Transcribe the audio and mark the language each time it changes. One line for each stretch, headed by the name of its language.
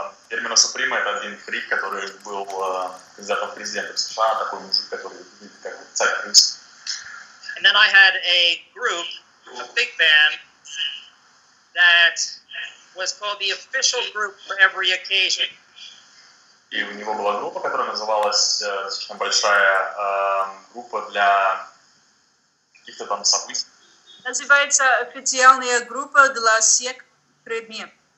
Russian: Бермена Суприма это один фрик, который был кандидатом в президенты США, такой мужик, который как бы царь принц.
English: And then I had a group, a big band, that was called the official group for every occasion.
Russian: И у него была группа, которая называлась достаточно большая группа для каких-то там событий. Называется официальная группа для всех предметов.